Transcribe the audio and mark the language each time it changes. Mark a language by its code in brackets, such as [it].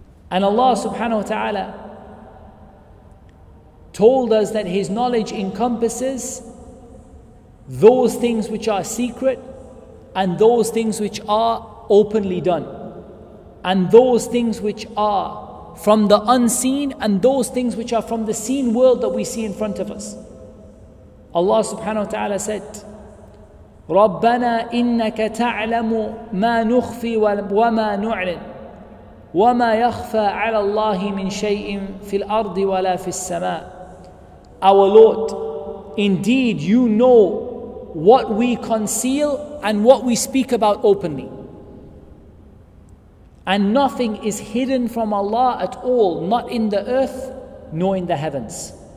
[en] And Allah subhanahu wa ta'ala told us that His knowledge encompasses those things which are secret and those things which are openly done, and those things which are from the unseen and those things which are from the seen world that we see in front of us. [ar] Allah subhanahu wa ta'ala said, رَبَّنَا إِنَّكَ تَعْلَمُ مَا نُخْفِي وَمَا نُعْلِنُ وَمَا يَخْفَى عَلَى اللَّهِ مِنْ شَيْءٍ فِي الْأَرْضِ وَلَا فِي السَّمَاءِ. [en] Our Lord, indeed You know what we conceal and what we speak about openly. And nothing is hidden from Allah at all, not in the earth nor in the heavens.